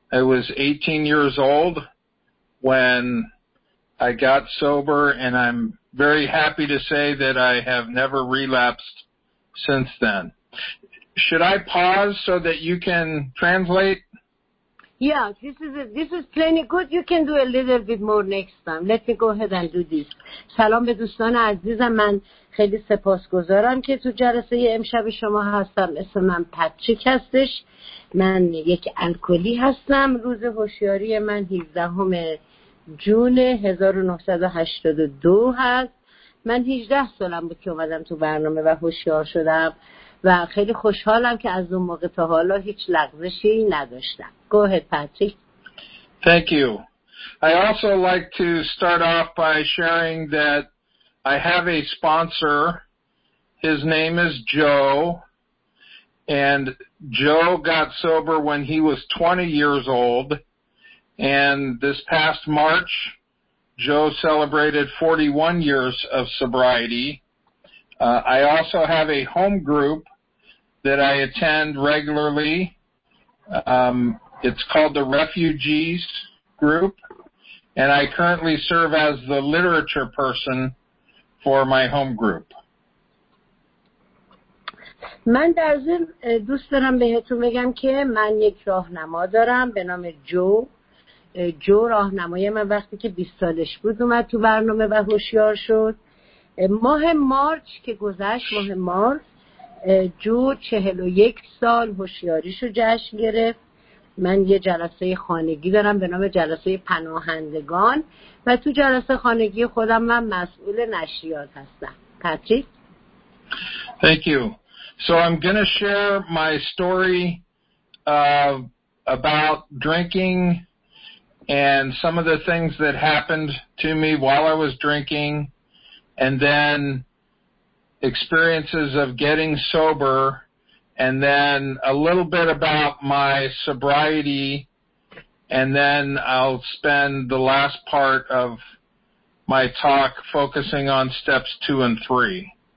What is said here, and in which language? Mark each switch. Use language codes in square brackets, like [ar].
[en] I was 18 years old when I got sober, and I'm very happy to say that I have never relapsed since then. Should I pause so that you can translate? Yeah, this is plenty good. You can do a little bit more next time. Let me go ahead and do this. [fa] سلام به دوستان عزیزم. من خیلی سپاسگزارم که تو جلسه امشب شما هستم. اسم من پاتریک هستش. من یک الکلی هستم. روز هوشیاری من 17 جون 1982 هست. من 18 سالم بود که اومدم تو برنامه و هوشیار شدم و خیلی خوشحالم که از اون موقع تا حالا هیچ لغزشی نداشتم. [en] Go ahead, Patrick. Thank you. I also like to start off by sharing that I have a sponsor. His name is Joe. And Joe got sober when he was 20 years old. And this past March, Joe celebrated 41 years of sobriety. I also have a home group that I attend regularly. It's called the Refugees Group, and I currently serve as the literature person for my home group. [fa] من در ضمن دوست دارم بهتون بگم که من یک راهنما دارم به نام جو. جو راهنمای من وقتی که 20 سالش بود اومد تو برنامه و هوشیار شد. ماه مارچ که گذشت، ماه مارس، جو 41 سال هوشیاریشو جشن گرفت. من یه جلسه خانگی دارم به نام جلسه پناهندگان و تو جلسه خانگی خودم من مسئول نشریات هستم. پاتریک. [en] Thank you. So I'm going to share my story about drinking and some of the things that happened to me while I was drinking, and then experiences of getting sober, and then a little bit about my sobriety, and then I'll spend the last part of my talk focusing on steps 2 and 3.